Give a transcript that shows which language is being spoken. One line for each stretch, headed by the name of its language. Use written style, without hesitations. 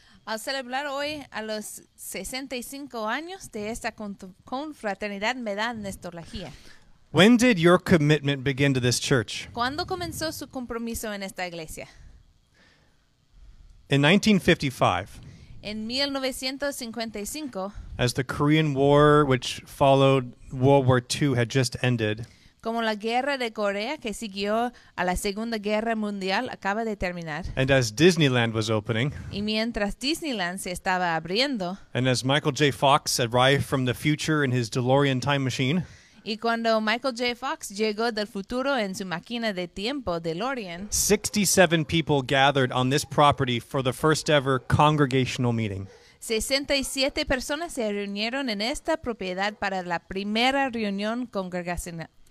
Spanish: Al celebrar hoy a los 65 años de esta confraternidad, me da nostalgia.
English: When did your commitment begin to this church?
Spanish: ¿Cuándo comenzó su compromiso en esta iglesia?
English: In 1955.
Spanish: En 1955.
English: As the Korean War, which followed World War II, had just ended.
Spanish: Como la guerra de Corea que siguió a la Segunda Guerra Mundial acaba de terminar.
English: And as Disneyland was opening.
Spanish: Y mientras Disneyland se estaba abriendo.
English: And as Michael J. Fox arrived from the future in his DeLorean time machine.
Spanish: Y cuando Michael J. Fox llegó del futuro en su máquina de tiempo, DeLorean,
English: 67 people gathered on this property for the first ever congregational meeting.
Spanish: 67 personas se reunieron en esta propiedad para la primera reunión congregacional.